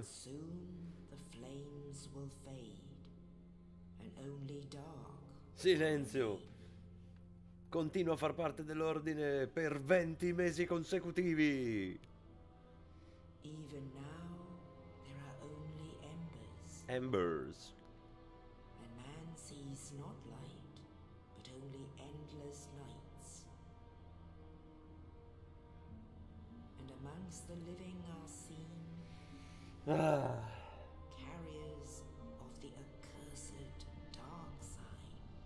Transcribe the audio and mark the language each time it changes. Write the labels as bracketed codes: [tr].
[en] But soon the flames will fade, and only dark. [it] Silenzio. Continua a far parte dell'ordine per 20 mesi consecutivi. [en] Even now there are only embers. Embers. A man sees not light, but only endless nights. And amongst the living are seen carriers of the accursed dark side.